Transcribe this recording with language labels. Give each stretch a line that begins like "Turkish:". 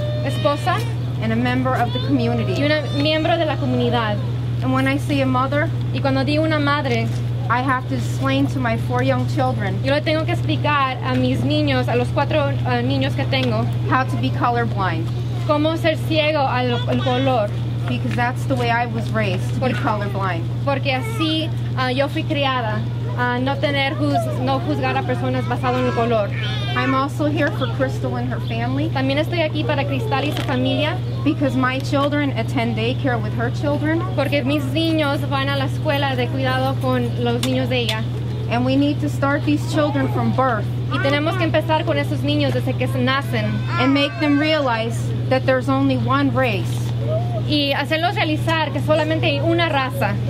Spanish: Esposa.
English: And a member of the community.
Spanish: Y un miembro de la comunidad.
English: And when I see a mother.
Spanish: Y cuando digo una madre.
English: I have to explain to my 4 young children.
Spanish: Yo le tengo que explicar a mis niños, a los 4 niños que tengo.
English: How to be colorblind.
Spanish: Cómo ser ciego al color.
English: Because that's the way I was raised, to be colorblind.
Spanish: Porque así yo fui criada, no juzgar a personas basado en el color.
English: I'm also here for Crystal and her family.
Spanish: También estoy aquí para Cristal y su familia.
English: Because my children attend daycare with her children.
Spanish: Porque mis niños van a la escuela de cuidado con los niños de ella.
English: And we need to start these children from birth.
Spanish: Y tenemos que empezar con esos niños desde que nacen.
English: And make them realize that there's only one race.
Spanish: Y hacerlos realizar que solamente hay una raza.